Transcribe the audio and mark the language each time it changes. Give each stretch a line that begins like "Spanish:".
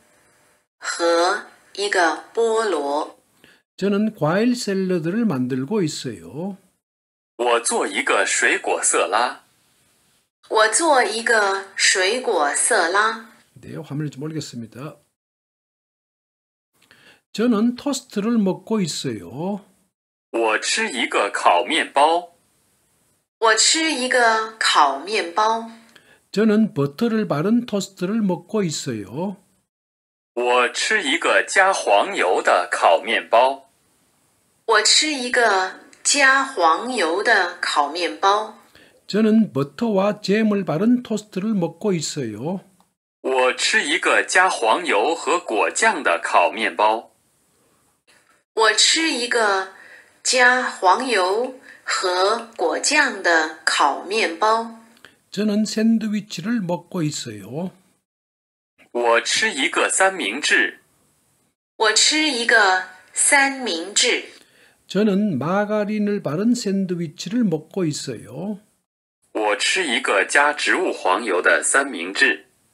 Chinese: 我有一个香蕉和一个菠萝。
Korean: 저는 과일 샐러드를 만들고 있어요.
Chinese: 我做一个水果色拉。我做一个水果色拉。
Korean: 네, 화면을 좀 올리겠습니다. 저는 토스트를 먹고 있어요.
Chinese: 我吃一个烤面包。我吃一个烤面包。
Korean: 저는 버터를 바른 토스트를 먹고 있어요.
Chinese: 我吃一个加黄油的烤面包。我吃一个加黄油的烤面包.
Korean: 저는 버터와 잼을 바른 토스트를 먹고 있어요.
Chinese: 我吃一个加黄油和果酱的烤面包. 我吃一个加黄油和果酱的烤面包.
Korean: 저는 샌드위치를 먹고 있어요.
Chinese: 我吃一个三明治. 我吃一个三明治.
Korean: 저는 마가린을 바른 샌드위치를 먹고 있어요.
Chinese: 我吃一个加植物黄油的三明治.